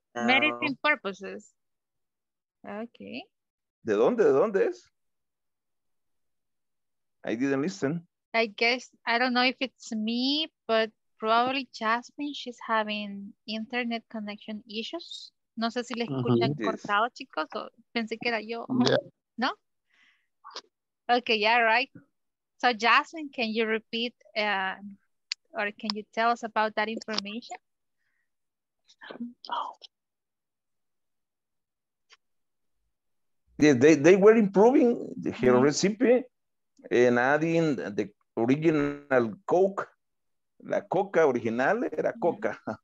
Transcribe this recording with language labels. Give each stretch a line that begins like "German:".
English: Medicine purposes. Okay.
Spanish: De dónde es?
English: I didn't listen. I guess, I don't know if it's me, but probably Jasmine, she's having internet connection issues.
Spanish: No sé si les escuchan cortado, chicos, o pensé que era yo.
English: Yeah. No? Okay, yeah, right. So Jasmine, can you repeat, or can you tell us about that information? Yeah, they were improving the hero recipe. And adding the original Coke,
Spanish: la Coca original era Coca.